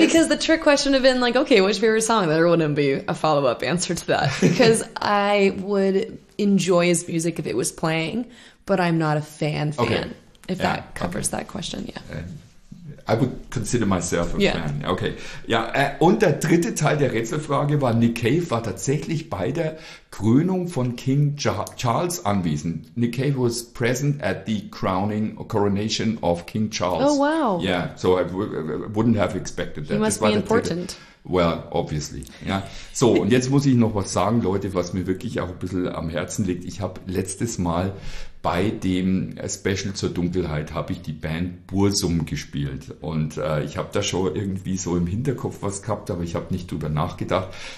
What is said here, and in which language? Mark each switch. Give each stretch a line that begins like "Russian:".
English: Because the trick question would have been like, okay, which favorite song? There wouldn't be a follow-up answer to that. Because I would enjoy his music if it was playing, but I'm not a fan, okay. If that covers that question, yeah. I would consider myself a fan. Okay.
German: Ja, und der dritte Teil der Rätselfrage war, Nick Cave war tatsächlich bei der Krönung von King Charles anwesend.
English: Nick Cave was present at the coronation of King Charles. Oh, wow. Yeah, so I wouldn't have expected that. He must be important. Well, obviously. Ja.
German: So, und jetzt muss ich noch was sagen, Leute, was mir wirklich auch ein bisschen am Herzen liegt. Ich habe letztes Mal bei dem Special zur Dunkelheit habe ich die Band Bursum gespielt. Und ich habe da schon irgendwie so im Hinterkopf was gehabt, aber ich habe nicht drüber nachgedacht.